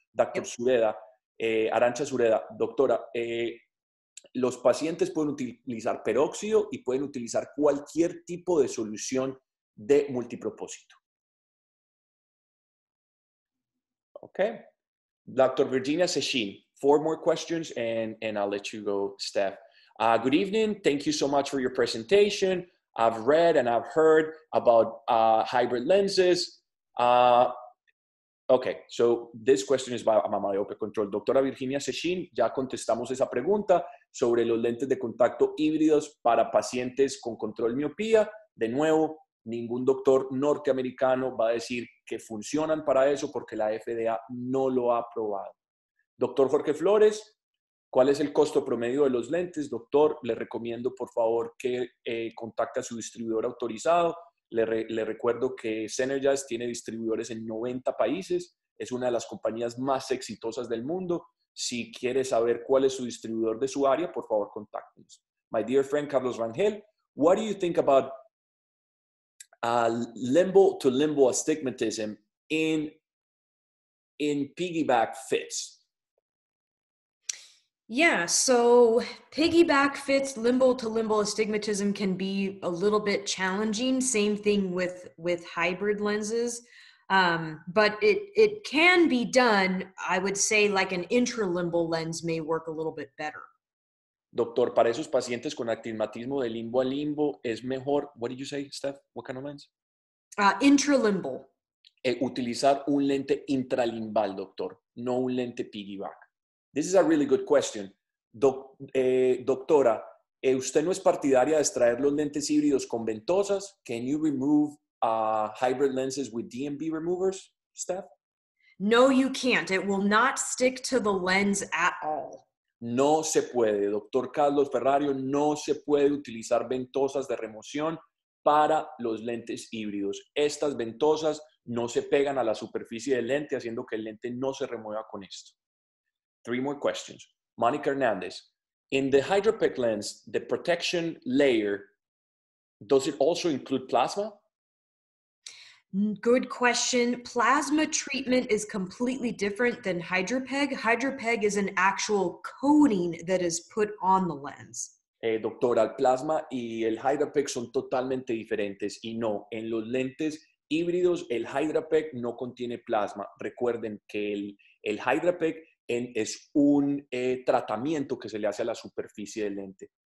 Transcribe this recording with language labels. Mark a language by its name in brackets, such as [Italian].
[English] Dr. Yep. [Spanish] Sureda, Arancha Sureda, doctora, los pacientes pueden utilizar peróxido y pueden utilizar cualquier tipo de solución de multipropósito. [English] Okay. Dr. Virginia Sechin, 4 more questions and I'll let you go, Steph. Good evening. Thank you so much for your presentation. I've read and I've heard about hybrid lenses. Okay, so this question is about myopia control. [Spanish] Doctora Virginia Sechin, ya contestamos esa pregunta sobre los lentes de contacto híbridos para pacientes con control miopía. De nuevo, ningún doctor norteamericano va a decir que funcionan para eso porque la FDA no lo ha aprobado. Doctor Jorge Flores, ¿cuál es el costo promedio de los lentes? Doctor, le recomiendo por favor que contacte a su distribuidor autorizado. Le recuerdo que Synergize tiene distribuidores en 90 países. Es una de las compañías más exitosas del mundo. Si quiere saber cuál es su distribuidor de su área, por favor, contáctenos. [English] My dear friend Carlos Rangel, what do you think about limbo to limbo astigmatism in piggyback fits? Yeah, so piggyback fits, limbal to limbal astigmatism can be a little bit challenging. Same thing with hybrid lenses. But it can be done. I would say like an intralimbal lens may work a little bit better. [Spanish] Doctor, para esos pacientes con astigmatismo de limbo a limbo es mejor, [English] what did you say, Steph? What kind of lens? Intralimbal. [Spanish] Utilizar un lente intralimbal, doctor, no un lente piggyback. [English] This is a really good question. [Spanish] Doctora, ¿usted no es partidaria de extraer los lentes híbridos con ventosas? [English] Can you remove hybrid lenses with DMB removers, Steph? No, you can't. It will not stick to the lens at all. [Spanish] No se puede. Doctor Carlos Ferrario, no se puede utilizar ventosas de remoción para los lentes híbridos. Estas ventosas no se pegan a la superficie del lente, haciendo que el lente no se remueva con esto. [English] 3 more questions. Monica Hernandez, in the hydropic lens, the protection layer, does it also include plasma? Good question. Plasma treatment is completely different than hydropeg. Hydropeg is an actual coating that is put on the lens. [Spanish] Doctora, el plasma y el hydropeg son totalmente diferentes. Y no, en los lentes híbridos, el hydropeg no contiene plasma. Recuerden que el hydropeg es un tratamiento que se le hace a la superficie del lente.